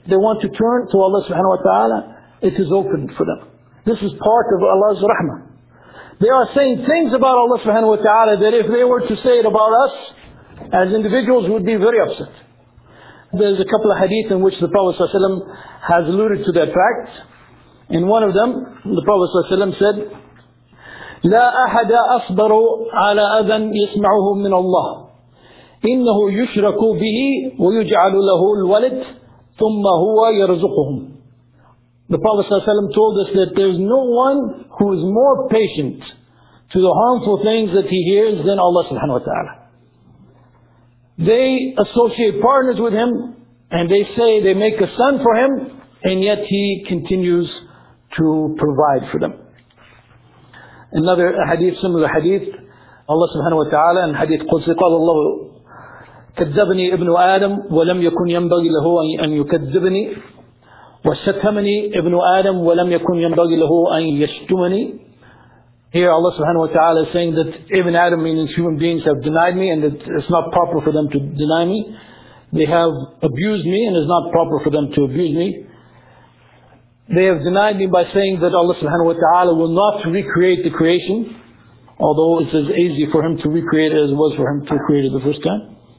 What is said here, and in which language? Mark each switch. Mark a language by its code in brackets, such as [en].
[en] If they want to turn to Allah subhanahu wa ta'ala, it is open for them. This is part of Allah's rahmah. They are saying things about Allah subhanahu wa ta'ala that if they were to say it about us, as individuals, would be very upset. There's a couple of hadith in which the Prophet ﷺ has alluded to that fact. In one of them, the Prophet ﷺ said, [ar] لَا أَحَدَ أَصْبَرُ عَلَىٰ أَذًا يَسْمَعُهُ مِّنَ اللَّهِ إِنَّهُ يُشْرَكُ بِهِ وَيُجْعَلُ لَهُ الْوَلِدْ ثُمَّ هُوَ يَرْزُقُهُمْ. [en] The Prophet ﷺ told us that there's no one who is more patient to the harmful things that he hears than Allah subhanahu wa ta'ala. They associate partners with him, and they say they make a son for him, and yet he continues to provide for them. Another hadith, similar hadith, Allah subhanahu wa ta'ala, and hadith Qudsi, [ar] قال الله كذبني ابن آدم ولم يكن ينبغي له أن يكذبني وشتمني ابن آدم ولم يكن ينبغي له أن يشتمني. [en] Here Allah subhanahu wa ta'ala is saying that Ibn Adam, meaning human beings, have denied me and that it's not proper for them to deny me. They have abused me and it's not proper for them to abuse me. They have denied me by saying that Allah subhanahu wa ta'ala will not recreate the creation, although it's as easy for him to recreate it as it was for him to create it the first time.